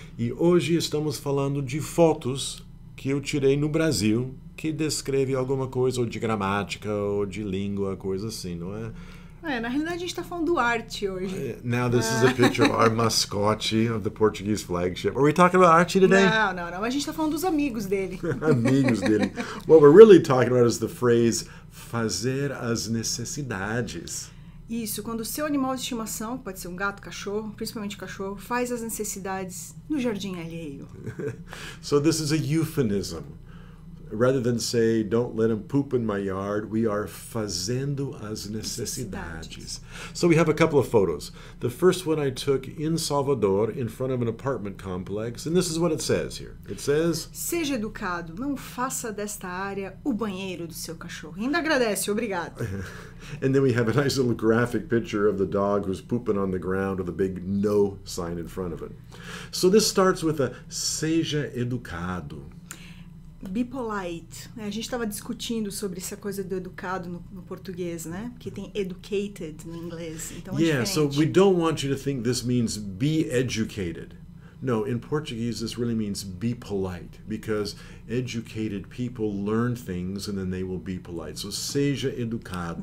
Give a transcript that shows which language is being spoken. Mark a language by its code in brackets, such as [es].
[pt] E hoje estamos falando de fotos que eu tirei no Brasil que descrevem alguma coisa, ou de gramática, ou de língua, coisa assim, não é? Na realidade, a gente está falando do arte hoje. [en] Now this is a picture of our mascote of the Portuguese flagship. Are we talking about arte today? [pt] Não. A gente está falando dos amigos dele. Amigos dele. [en] What we're really talking about is the phrase [pt] fazer as necessidades. Isso, quando o seu animal de estimação, pode ser um gato, cachorro, principalmente cachorro, faz as necessidades no jardim alheio. [en] So this is a euphemism. Rather than say, don't let him poop in my yard, we are [pt] fazendo as necessidades. [en] So we have a couple of photos. The first one I took in Salvador, in front of an apartment complex, and this is what it says here. It says, [pt] seja educado, não faça desta área o banheiro do seu cachorro. Ainda agradece, obrigado. [en] And then we have a nice little graphic picture of the dog who's pooping on the ground with a big no sign in front of it. So this starts with a [pt] seja educado. [en] Be polite. [pt] A gente estava discutindo sobre essa coisa do educado no português, né? Porque tem educated no inglês. Então é diferente. [en] So we don't want you to think this means be educated. No, in Portuguese this really means be polite. Because educated people learn things and then they will be polite. So [pt] seja educado.